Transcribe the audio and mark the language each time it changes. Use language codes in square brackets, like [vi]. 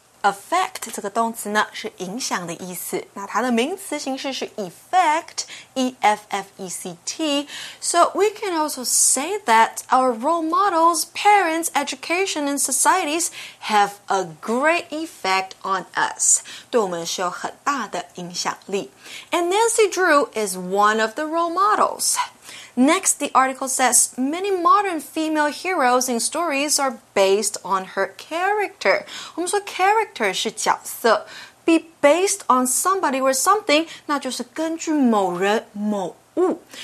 [zh] Affect 这个动词呢是影响的意思。那它的名词形式是 effect, E-F-F-E-C-T. [en] So we can also say that our role models, parents, education, and societies have a great effect on us. [zh] 对我们是有很大的影响力。 [en] And Nancy Drew is one of the role models. Next, the article says, many modern female heroes in stories are based on her character. [zh] 我们说 character 是角色。 [en] Be based on somebody or something, [zh] 那就是根据某人某物。